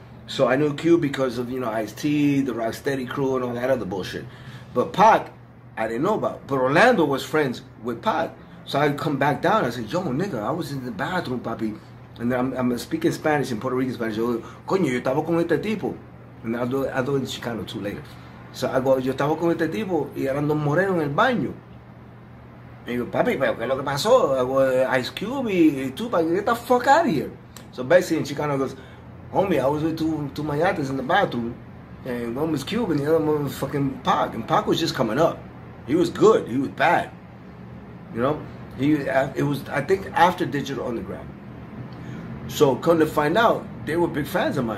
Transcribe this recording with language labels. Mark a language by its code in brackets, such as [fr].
[en] So I knew Q because of, you know, Ice-T, the Rocksteady crew, and all that other bullshit. But Pac, I didn't know about. But Orlando was friends with Pac. So I'd come back down. I said, yo, nigga, I was in the bathroom, papi. And then I'm speaking Spanish, in Puerto Rican Spanish. [es] Coño, yo estaba con este tipo. [en] And I'll do it in Chicano too later. So I go, [es] yo estaba con este tipo y eran dos morenos en el baño. Y yo, papi, ¿qué es lo que pasó? [en] I go, Ice Cube y Tupac, get the fuck out of here. So basically, in Chicano goes, homie, I was with two mayates in the bathroom. And one was Cube and the other one was fucking Pac. And Pac was just coming up. He was good. He was bad. You know? I think, after Digital Underground. So come to find out, they were big fans of mine.